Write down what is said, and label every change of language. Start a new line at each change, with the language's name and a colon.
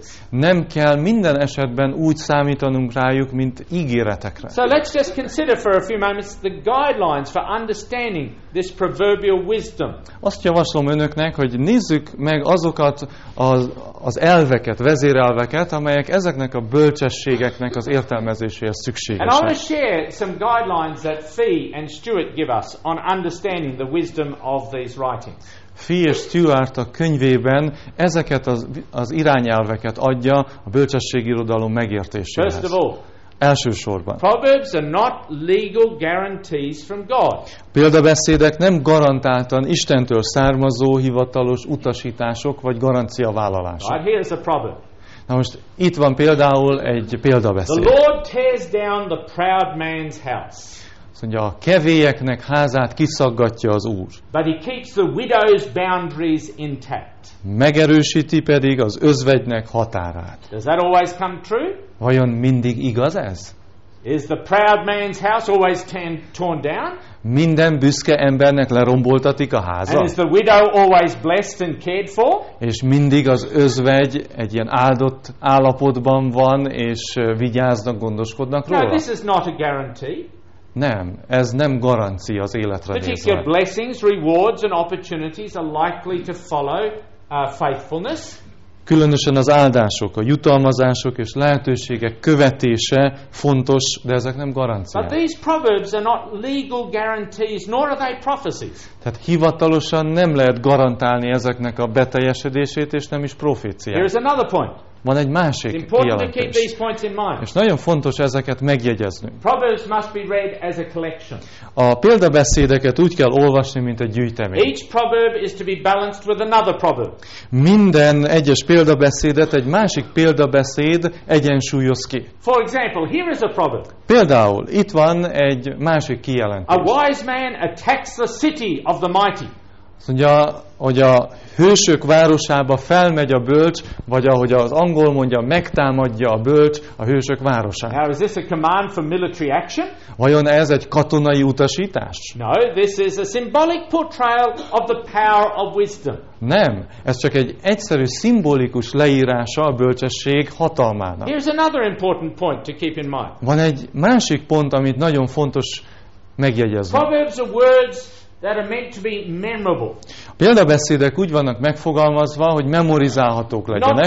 Hungarian: Nem kell minden esetben úgy számítanunk rájuk, mint ígéretekre.
English: So let's just consider for a few moments the guidelines for understanding this proverbial wisdom.
Hungarian: Azt javaslom önöknek, hogy nézzük meg azokat az elveket, vezérelveket, amelyek ezeknek a bölcsességeknek az értelmezéséhez szükségesek.
English: And I want to share some guidelines that Fee and Stuart give us on understanding the wisdom of these writings.
Hungarian: Fee és Stuart a könyvében ezeket az irányelveket adja a bölcsességirodalom megértéséhez.
English: First of all,
Hungarian: elsősorban.
English: Proverbs are not legal guarantees from God.
Hungarian: Példabeszédek nem garantáltan Istentől származó hivatalos utasítások vagy garancia vállalások.
English: Right, here's a proverb.
Hungarian: Na most itt van például egy példabeszéd.
English: The Lord tears down the proud man's house.
Hungarian: Mondja, a kevélyeknek házát kiszaggatja az Úr.
English: But he keeps the widow's boundaries intact.
Hungarian: Megerősíti pedig az özvegynek határát.
English: Does that always come true?
Hungarian: Vajon mindig igaz ez?
English: Is the proud man's house always torn down?
Hungarian: Minden büszke embernek leromboltatik a háza?
English: And is the widow always blessed and cared for?
Hungarian: És mindig az özvegy egy ilyen áldott állapotban van, és vigyáznak, gondoskodnak róla?
English: No, this is not a guarantee.
Hungarian: Nem, ez nem garancia az életre nézve.
English: Particular blessings, rewards and opportunities are likely to follow faithfulness.
Hungarian: Különösen az áldások, a jutalmazások és lehetőségek követése fontos, de ezek nem garanciák.
English: But these proverbs are not legal guarantees, nor are they prophecies.
Hungarian: Tehát hivatalosan nem lehet garantálni ezeknek a beteljesedését, és nem is proféciák.
English: Here is another point.
Hungarian: Van egy másik kijelentés. És nagyon fontos ezeket megjegyeznünk.
English: Proverbs must be read as a collection.
Hungarian: A példabeszédeket úgy kell olvasni, mint egy gyűjtemény.
English: Each proverb is to be balanced with another proverb.
Hungarian: Minden egyes példabeszédet egy másik példabeszéd egyensúlyoz ki.
English: For example, here is a proverb.
Hungarian: Például itt van egy másik kijelentés.
English: A wise man attacks the city of the mighty.
Hungarian: Mondja, hogy a hősök városába felmegy a bölcs, vagy ahogy az angol mondja, megtámadja a bölcs a hősök városát.
English: Now, is this a command for military action?
Hungarian: Vajon ez egy katonai utasítás?
English: No, this is a symbolic portrayal of the power of wisdom.
Hungarian: Nem, ez csak egy egyszerű szimbolikus leírása a bölcsesség hatalmának.
English: Here's another important point to keep in mind.
Hungarian: Van egy másik pont, amit nagyon fontos megjegyezni.
English: Proverbs are words that are meant to be memorable.
Hungarian: A példabeszédek úgy vannak megfogalmazva, hogy memorizálhatók legyenek.